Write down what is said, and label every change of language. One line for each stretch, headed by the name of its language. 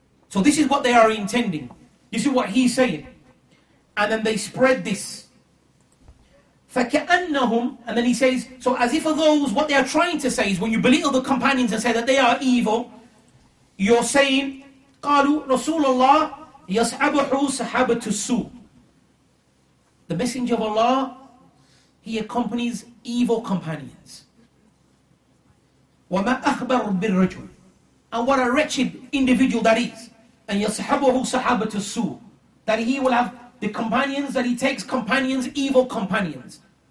English: So this is what they are intending. This is what he's saying. And then they spread this.
Arabic: فَكَأَنَّهُمْ.
English: And then he says, so as if of those, what they are trying to say is when you belittle the companions and say that they are evil, you're saying,
Arabic: قالوا رسول الله يصحبه صحابة السوء.
English: The messenger of Allah, he accompanies evil companions.
Arabic: وما أخبر بالرجل.
English: And what a wretched individual that is. And
Arabic: يصحبه صحابة السوء.
English: That he will have the companions, that he takes companions, evil companions.